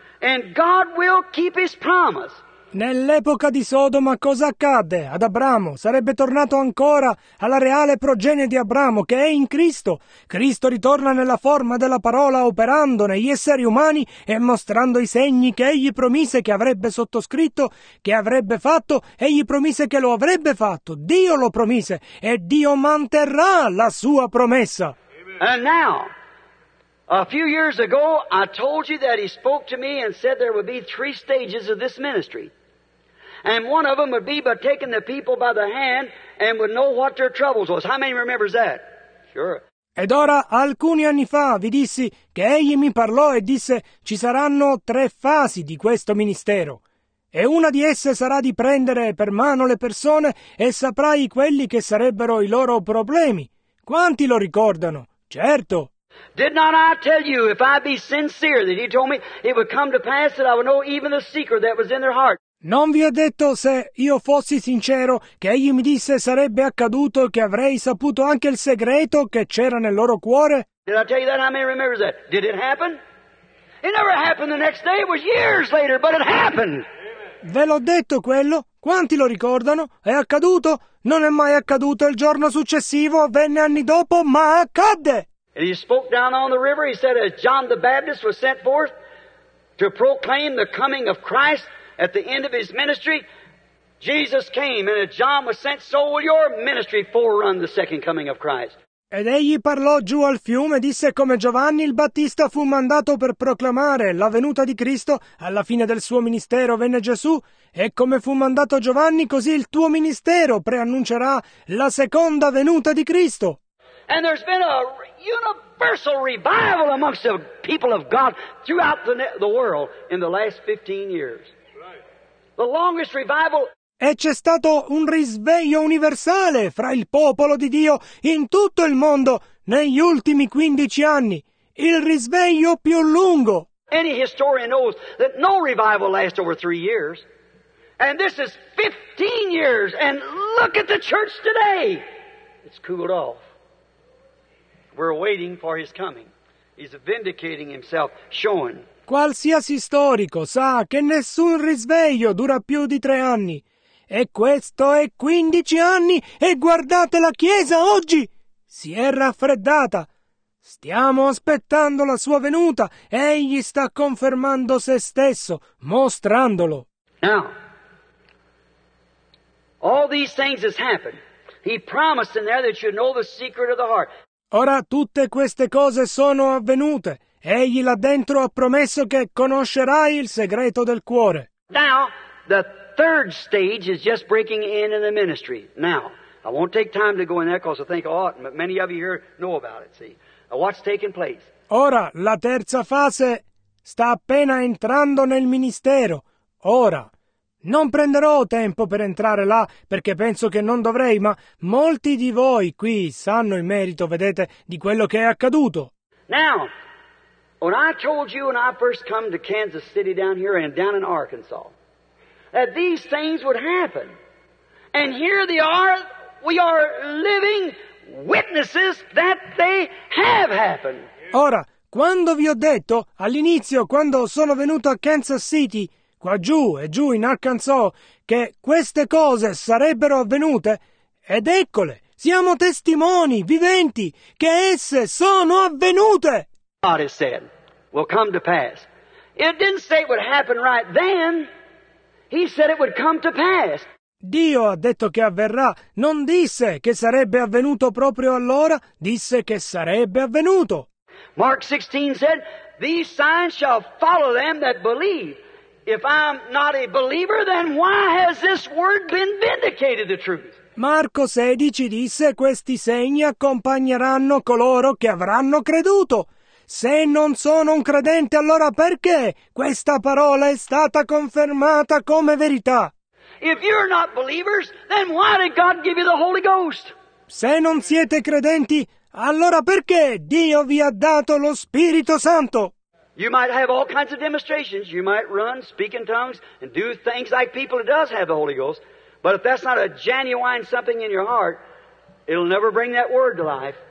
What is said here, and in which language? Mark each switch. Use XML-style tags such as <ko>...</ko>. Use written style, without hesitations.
<en>And God will keep His promise.</en> <it>Nell'epoca di Sodoma cosa accadde ad Abramo? Sarebbe tornato ancora alla reale progenie di Abramo che è in Cristo. Cristo ritorna nella forma della parola operando negli esseri umani e mostrando i segni che egli promise che avrebbe sottoscritto, che avrebbe fatto, egli promise che lo avrebbe fatto. Dio lo promise e Dio manterrà la sua promessa.</it> <en>And now, a few years ago, I told you that he spoke to me and said there would be three stages of this ministry. And one of them would be by taking the people by the hand and would know what their troubles was. How many remembers that? Sure.</en> <it>Ed ora, alcuni anni fa, vi dissi che egli mi parlò e disse ci saranno tre fasi di questo ministero. E una di esse sarà di prendere per mano le persone e saprai quelli che sarebbero i loro problemi. Quanti lo ricordano? Certo.</it> <en>Did not I tell you, if I be sincere, that he told me it would come to pass that I would know even the secret that was in their heart?</en> <it>Non vi ho detto, se io fossi sincero, che egli mi disse sarebbe accaduto che avrei saputo anche il segreto che c'era nel loro cuore?</it> <en>Did I tell you that? How many remembers that? Did it happen? It never happened the next day, it was years later, but it happened!</en> <it>Ve l'ho detto quello? Quanti lo ricordano? È accaduto? Non è mai accaduto il giorno successivo, venne anni dopo, ma accadde!</it> <en>And he spoke down on the river, he said, as John the Baptist was sent forth to proclaim the coming of Christ at the end of his ministry, Jesus came, and as John was sent, so will your ministry forerun the second coming of Christ.</en> <it>Ed egli parlò giù al fiume, disse come Giovanni il Battista fu mandato per proclamare la venuta di Cristo, alla fine del suo ministero venne Gesù, e come fu mandato Giovanni, così il tuo ministero preannuncerà la seconda venuta di Cristo.</it> <en>And there's been a universal revival amongst the people of God throughout the world in the last 15 years. The longest revival.</en> <it>E c'è stato un risveglio universale fra il popolo di Dio in tutto il mondo negli ultimi 15 anni. Il risveglio più lungo.</it> <en>Any historian knows that no revival lasts over 3 years. And this is 15 years. And look at the church today. It's cooled off. We're waiting for his coming. He's vindicating himself, showing.</en> <it>Qualsiasi storico sa che nessun risveglio dura più di 3 anni. E questo è 15 anni. E guardate la Chiesa oggi! Si è raffreddata. Stiamo aspettando la sua venuta. Egli sta confermando se stesso, mostrandolo.</it> <en>Now, all these things has happened. He promised in there that you know the secret of the heart.</en> <it>Ora tutte queste cose sono avvenute. Egli là dentro ha promesso che conoscerai il segreto del cuore.</it> <en>Now, the third stage is just breaking in the ministry. Now, I won't take time to go in there because I think, oh, many of you here know about it, see. What's taking place?</en> <it>Ora la terza fase sta appena entrando nel ministero. Ora non prenderò tempo per entrare là perché penso che non dovrei, ma molti di voi qui sanno in merito, vedete, di quello che è accaduto.</it> <en>Now, when I told you when I first come to Kansas City down here and down in Arkansas that these things would happen. And here they are, we are living witnesses that they have happened.</en> <it>Ora, quando vi ho detto, all'inizio, quando sono venuto a Kansas City, qua giù e giù in Arkansas, che queste cose sarebbero avvenute, ed eccole, siamo testimoni viventi che esse sono avvenute!</it> <en>God has said, will come to pass. It didn't say it would happen right then, he said it would come to pass.</en> <it>Dio ha detto che avverrà, non disse che sarebbe avvenuto proprio allora, disse che sarebbe avvenuto.</it> <en>Mark 16 said, these signs shall follow them that believe. If I'm not a believer, then why has this word been vindicated the truth?</en> <it>Marco 16 disse, questi segni accompagneranno coloro che avranno creduto. Se non sono un credente, allora perché questa parola è stata confermata come verità?</it> <en>If you're not believers, then why did God give you the Holy Ghost?</en> <it>Se non siete credenti, allora perché Dio vi ha dato lo Spirito Santo?</it> <en>You might have all kinds of demonstrations. You might run, speak in tongues, and do things like people who does have the Holy Ghost. But if that's not a genuine something in your heart, it'll never bring that word to life.</en>